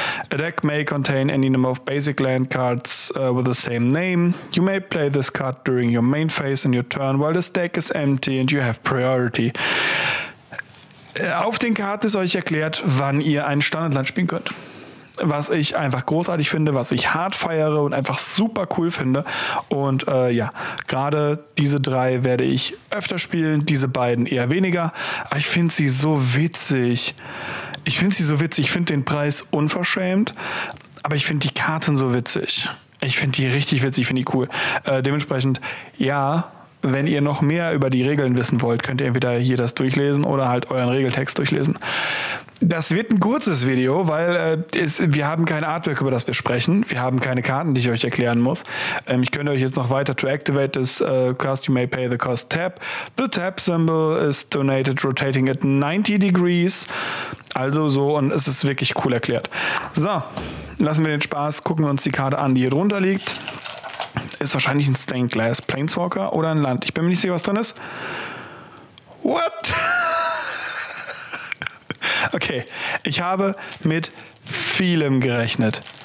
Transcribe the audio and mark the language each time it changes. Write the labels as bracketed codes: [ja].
[en] A deck may contain any number of basic land cards with the same name. You may play this card during your main phase in your turn, while this deck is empty and you have priority. [de] Auf den Karten ist euch erklärt, wann ihr ein Standardland spielen könnt. Was ich einfach großartig finde, was ich hart feiere und einfach super cool finde. Und ja, gerade diese drei werde ich öfter spielen, diese beiden eher weniger. Aber ich finde sie so witzig. Ich finde sie so witzig. Ich finde den Preis unverschämt, aber ich finde die Karten so witzig. Ich finde die richtig witzig, ich finde die cool. Dementsprechend, ja, wenn ihr noch mehr über die Regeln wissen wollt, könnt ihr entweder hier das durchlesen oder halt euren Regeltext durchlesen. Das wird ein kurzes Video, weil wir haben kein Artwork, über das wir sprechen. Wir haben keine Karten, die ich euch erklären muss. Ich könnte euch jetzt noch weiter [en] to activate this cost, you may pay the cost tap. The tap symbol is donated, rotating at 90 degrees. [de] Also so, und es ist wirklich cool erklärt. So, lassen wir den Spaß, gucken wir uns die Karte an, die hier drunter liegt. Ist wahrscheinlich ein Stained Glass Planeswalker oder ein Land. Ich bin mir nicht sicher, was drin ist. [en] What? [de] Okay, ich habe mit vielem gerechnet.